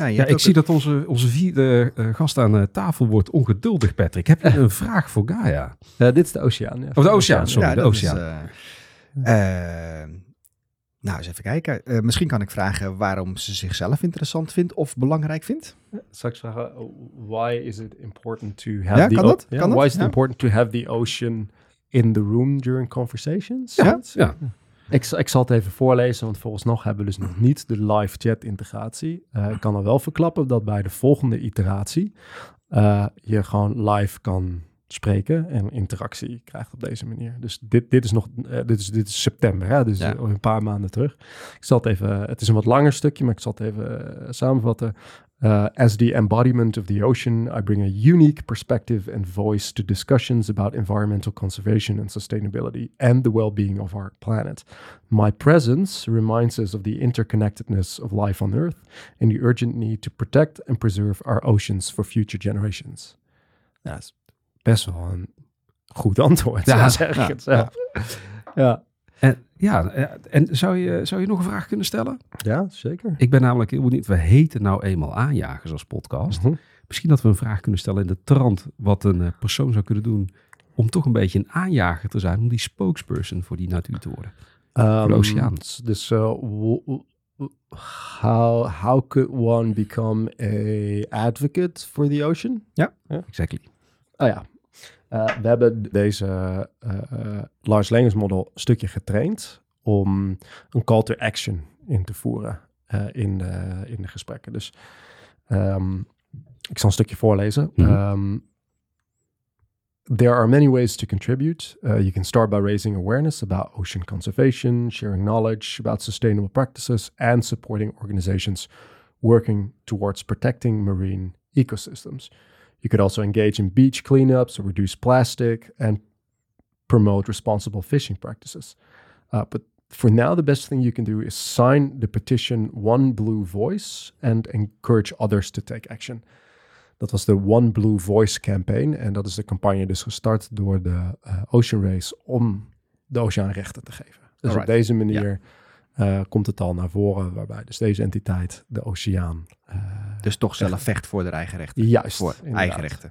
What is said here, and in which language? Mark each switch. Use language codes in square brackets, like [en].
[nl] Ik zie dat onze vierde gast aan tafel wordt ongeduldig, Patrick. Heb je een vraag voor Gaia? Dit is de oceaan. Ja. Of de oceaan, sorry, ja, de oceaan. Eens even kijken. Misschien kan ik vragen waarom ze zichzelf interessant vindt of belangrijk vindt. Zal ik vragen, [en] why is it important to have important to have the ocean in the room during conversations? [nl] Ja. Ik zal het even voorlezen, want volgens nog hebben we dus nog niet de live chat integratie. Ik kan al wel verklappen dat bij de volgende iteratie je gewoon live kan spreken en interactie krijgt op deze manier. Dus dit is september, hè? Dus een paar maanden terug. Ik zal het even, het is een wat langer stukje, maar ik zal het even samenvatten. [en] As the embodiment of the ocean, I bring a unique perspective and voice to discussions about environmental conservation and sustainability and the well-being of our planet. My presence reminds us of the interconnectedness of life on Earth and the urgent need to protect and preserve our oceans for future generations. Yes. [nl] Best wel een goed antwoord, zeg ik het zelf. Ja. En zou je nog een vraag kunnen stellen? Ja, zeker. Ik ben namelijk heel benieuwd, we heten nou eenmaal aanjagers als podcast. Mm-hmm. Misschien dat we een vraag kunnen stellen in de trant wat een persoon zou kunnen doen om toch een beetje een aanjager te zijn, om die spokesperson voor die natuur te worden. Voor de oceaan. Dus [en] how could one become a advocate for the ocean? [nl] Ja, [en] exactly. [nl] Oh ja, we hebben deze large language model een stukje getraind om een call to action in te voeren. in de gesprekken. Dus ik zal een stukje voorlezen. [en] Mm-hmm. There are many ways to contribute. You can start by raising awareness about ocean conservation, sharing knowledge about sustainable practices, and supporting organizations working towards protecting marine ecosystems. You could also engage in beach cleanups or reduce plastic and promote responsible fishing practices. But for now, the best thing you can do is sign the petition One Blue Voice and encourage others to take action. [nl] Dat was de One Blue Voice campaign. En dat is de campagne dus gestart door de Ocean Race om de oceaan rechten te geven. Dus [en] Alright. [nl] Op deze manier komt het al naar voren, waarbij dus deze entiteit de oceaan... Dus toch zelf echt... vecht voor de eigen rechten. Juist. Voor inderdaad. Eigen rechten.